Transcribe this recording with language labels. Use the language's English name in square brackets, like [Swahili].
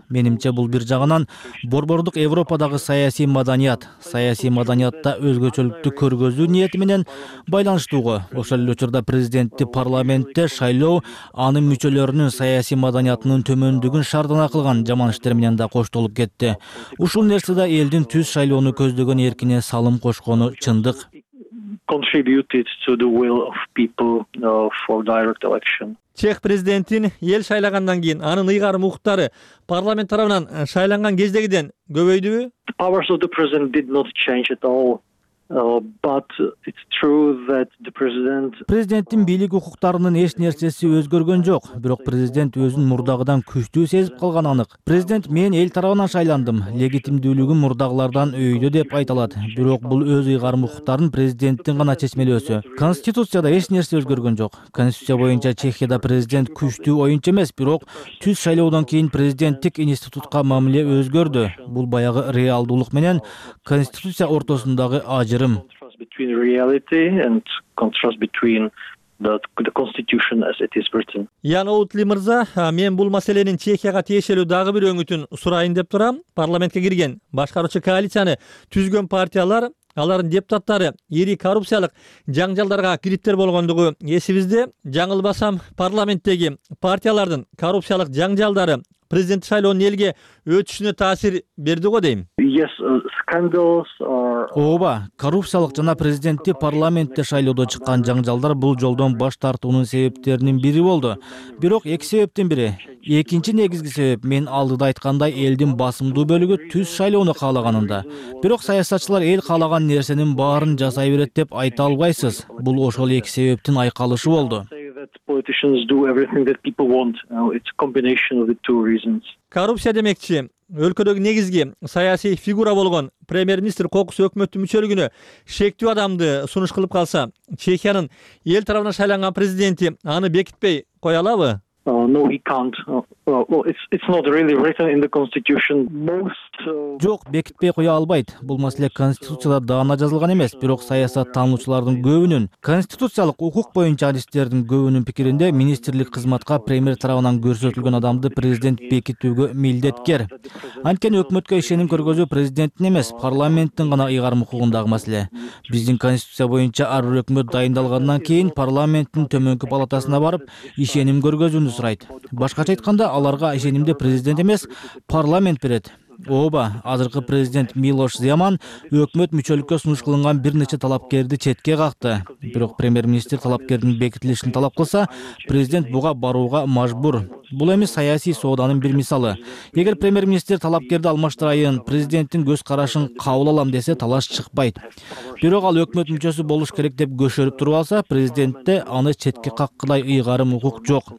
[Kyrgyz] Менимче бул бир жагынан борбордук Европадагы саясий маданият, саясий маданиятта өзгөчөлүктү көргөзүү ниети менен байланыштуугу. Ошол эле учурда президентти парламентте шайлоо анын мүчөлөрүнүн саясий маданиятынын төмөндүгүн шардана кылган жаман иштер менен да коштолуп кетти. Ушул нерсе да элдин түз шайлоону көздөгөн эркине салым кошкону чындык. [English] Contributed to the will of people for direct election. [Kyrgyz] Чех президентин эл шайлагандан кийин анын ыйгарым укуктары парламент тарабынан шайланган кездегиден көбөйдүбү? [English] The powers of the president did not change at all. But it's true that the president [Kyrgyz] Президенттин бийлик укуктарынын эч нерсеси өзгөргөн жок, бирок президент өзүн мурдагыдан күчтүү сезип калган анык. Президент мен эл тарабынан шайландым, легитимдүүлүгүм мурдагылардан өйдө деп айталат. Бирок бул өз ыйгарым укуктарын президенттин гана чечмелөөсү. Конституцияда эч нерсе өзгөргөн жок. Конституция боюнча Чехияда президент күчтүү оюнчу эмес, бирок түз шайлоодон кийин президенттик институтка мамиле өзгөрдү. Бул баягы реалдуулук менен конституция ортосундагы ажырым. [English] Contrast between reality and contrast between the constitution as it is written. [Kyrgyz] Янаутли мырза, мен бул маселенин Чехияга тиешелүү дагы бир өңүтүн сурайын деп турам. Парламентке кирген башкаруучу коалицияны түзгөн партиялар, алардын депутаттары ири коррупциялык жаңжалдарга кириптер болгондугу эсибизде. Жаңылбасам, парламенттеги партиялардын коррупциялык жаңжалдары президент шайлоонун элге өтүшүнө таасир берди го дейм. Ооба, коррупциялык жана президентти парламентте шайлоодо чыккан жаңжалдар бул жолдон баш тартуунун себептеринин бири болду. Бирок эки себептин бири. Экинчи негизги себеп мен алдыда айткандай элдин басымдуу бөлүгү түз шайлоону каалаганында. Бирок саясатчылар эл каалаган нерсенин баарын жасай берет деп айта албайсыз. Бул ошол эки себептин айкалышы болду. [English] Politicians do everything that people want. It's a combination of the two reasons. [Kyrgyz] Коррупция демекчи, өлкөдөгү негизги саясий фигура болгон премьер-министр кокус өкмөттүн мүчөлүгүнө шектүү адамды сунуш кылып калса, Чехиянын эл тарабынан шайланган президенти аны бекитпей кое алабы? [English] No, he can't. It's not really written in the constitution. [Kyrgyz] Жок, бекитпей кое албайт. Бул маселе конституцияда даана жазылган эмес, бирок саясат таануучулардын көбүнүн, конституциялык укук боюнча адистердин көбүнүн пикиринде министрлик кызматка премьер тарабынан көрсөтүлгөн адамды президент бекитүүгө милдеткер. Анткени өкмөткө ишеним көргөзүү президенттин эмес, парламенттин гана ыйгарым укугундагы маселе. Биздин конституция боюнча ар бир өкмөт дайындалгандан кийин парламенттин төмөнкү палатасына барып ишеним көргөзүүнү сурайт. Башкача айтканда, аларга ишенимди президент эмес, парламент берет. Ооба, азыркы президент Милош Земан өкмөт мүчөлүккө сунуш кылынган бир нече талапкерди четке какты. Бирок премьер-министр талапкердин бекитилишин талап кылса, президент буга барууга мажбур. Бул эми саясий сооданын бир мисалы. Эгер премьер-министр талапкерди алмаштырайын, президенттин көз карашын кабыл алам десе талаш чыкпайт. Бирок ал өкмөт мүчөсү болуш керек деп көшөрүп туруп алса, президентте аны четке каккылай ыйгарым укук жок.